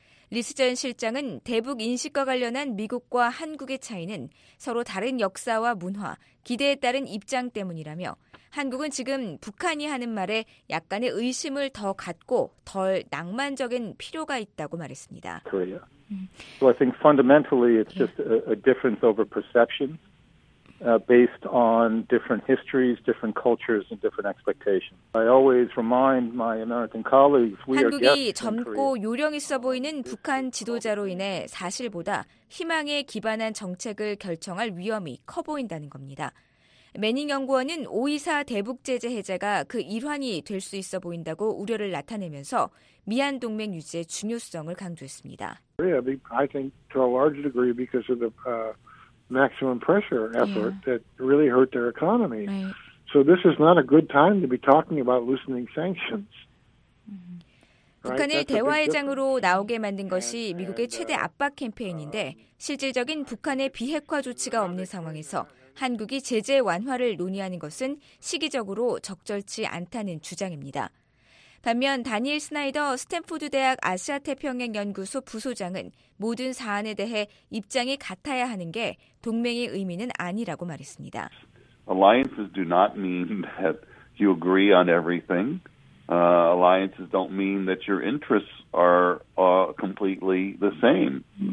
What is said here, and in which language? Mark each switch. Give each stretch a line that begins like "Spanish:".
Korean: 리스 전 실장은 대북 인식과 관련한 미국과 한국의 차이는 서로 다른 역사와 문화, 기대에 따른 입장 때문이라며 한국은 지금 북한이 하는 말에 약간의 의심을 더 갖고 덜 낭만적인 필요가 있다고 말했습니다.
English: Korea. So I think fundamentally it's just a difference over perception based on different histories, different cultures, and different expectations. I always remind my American colleagues, we are guests in Korea.
Korean: 한국이 젊고 요령 있어 보이는 북한 지도자로 인해 사실보다 희망에 기반한 정책을 결정할 위험이 커 보인다는 겁니다. 매닝 연구원은 5.24 대북 제재 해제가 그 일환이 될 수 있어 보인다고 우려를 나타내면서 미한 동맹 유지의 중요성을 강조했습니다.
English: I think to a large degree because of the maximum pressure effort that really hurt their economy. So this is not a good time to be talking about loosening sanctions.
Korean: 북한을 대화의 장으로 나오게 만든 것이 미국의 최대 압박 캠페인인데 실질적인 북한의 비핵화 조치가 없는 상황에서 한국이 제재 완화를 논의하는 것은 시기적으로 적절치 않다는 주장입니다. 반면 다니엘 스나이더 스탠포드 대학 아시아태평양연구소 부소장은 모든 사안에 대해 입장이 같아야 하는 게 동맹의 의미는 아니라고 말했습니다.
English: Alliances do not mean that you agree on everything. Alliances don't mean that your interests are completely the same.